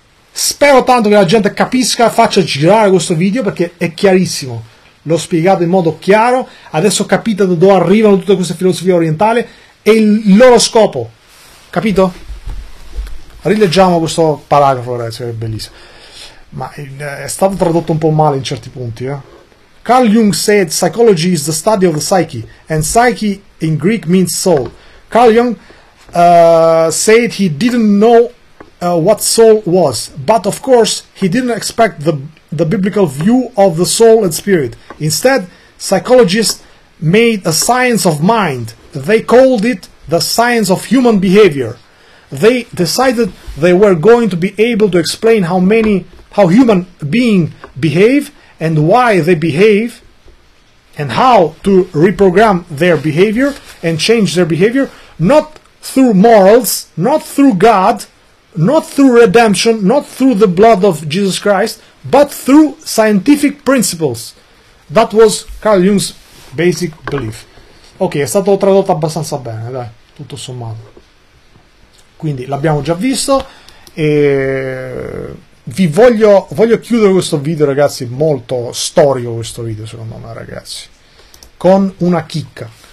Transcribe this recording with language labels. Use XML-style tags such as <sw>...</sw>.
<it>Spero tanto che la gente capisca, faccia girare questo video, perché è chiarissimo, l'ho spiegato in modo chiaro. Adesso capite da dove arrivano tutte queste filosofie orientali e il loro scopo, capito? Rileggiamo questo paragrafo, ragazzi, è bellissimo. Ma è stato tradotto un po' male in certi punti, eh?</it> <en>Carl Jung said psychology is the study of the psyche, and psyche in Greek means soul. Carl Jung said he didn't know what soul was, but of course he didn't expect the biblical view of the soul and spirit. Instead, psychologists made a science of mind. They called it the science of human behavior. They decided they were going to be able to explain how human beings behave and why they behave and how to reprogram their behavior and change their behavior, not through morals, not through God, not through redemption, not through the blood of Jesus Christ, but through scientific principles. That was Carl Jung's basic belief.</en> <it>Ok, è stato tradotto abbastanza bene, dai, tutto sommato. Quindi l'abbiamo già visto e vi voglio chiudere questo video, ragazzi, molto storico questo video, secondo me, ragazzi, con una chicca.</it>